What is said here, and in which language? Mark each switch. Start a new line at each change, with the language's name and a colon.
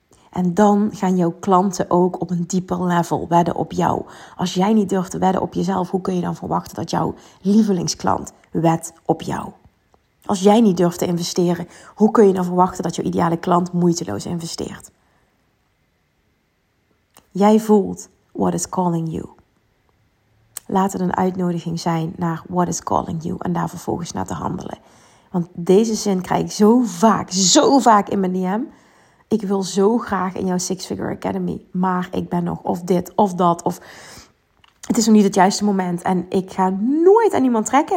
Dutch: En dan gaan jouw klanten ook op een dieper level wedden op jou. Als jij niet durft te wedden op jezelf, hoe kun je dan verwachten dat jouw lievelingsklant wedt op jou? Als jij niet durft te investeren, hoe kun je dan verwachten dat jouw ideale klant moeiteloos investeert? Jij voelt
English: what is calling you.
Dutch: Laat het een uitnodiging zijn naar
English: what is calling you
Dutch: en daar vervolgens naar te handelen. Want deze zin krijg ik zo vaak in mijn DM. Ik wil zo graag in jouw Six Figure Academy, maar ik ben nog of dit of dat. Of het is nog niet het juiste moment en ik ga nooit aan iemand trekken.